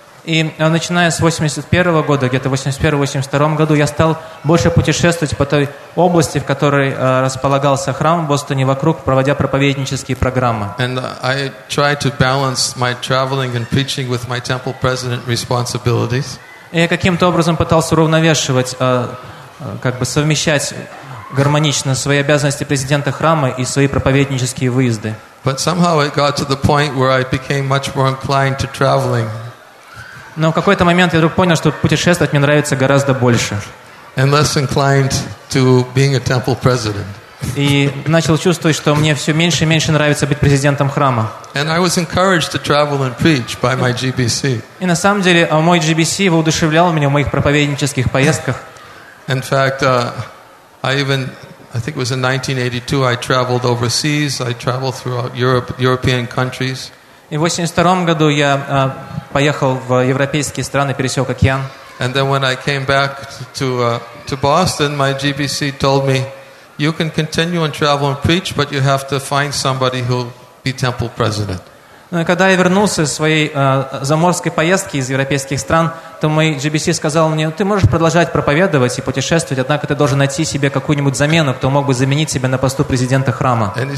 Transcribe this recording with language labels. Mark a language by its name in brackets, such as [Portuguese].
[Russian] И начиная с 81 года, где-то 81-82 году, я стал больше путешествовать по той области, в которой располагался храм в Бостоне вокруг, проводя проповеднические программы. [English] And I tried to balance my traveling and preaching with my temple president responsibilities. [Russian] Я каким-то образом пытался уравновешивать, как бы совмещать гармонично свои обязанности президента храма и свои проповеднические выезды. [English] But somehow it got to the point where I became much more inclined to traveling. [Russian] Но в какой-то момент я вдруг понял, что путешествовать мне нравится гораздо больше. [English] And less inclined to being a temple president. [Russian] И начал чувствовать, что мне все меньше и меньше нравится быть президентом храма. [English] And I was encouraged to travel and preach by my GBC. [Russian] И на самом деле, мой GBC воодушевлял меня в моих проповеднических поездках. [English] In fact, I think it was in 1982, I traveled overseas. I traveled throughout European countries. [Russian] И в 82-м году я поехал в европейские страны, пересек океан. [English] And then when I came back to Boston, my GBC told me, you can continue and travel and preach, but you have to find somebody who will be temple president. [Russian] Когда я вернулся из своей заморской поездки из европейских стран, то мой GBC сказал мне, ты можешь продолжать проповедовать и путешествовать, однако ты должен найти себе какую-нибудь замену, кто мог бы заменить себя на посту президента храма.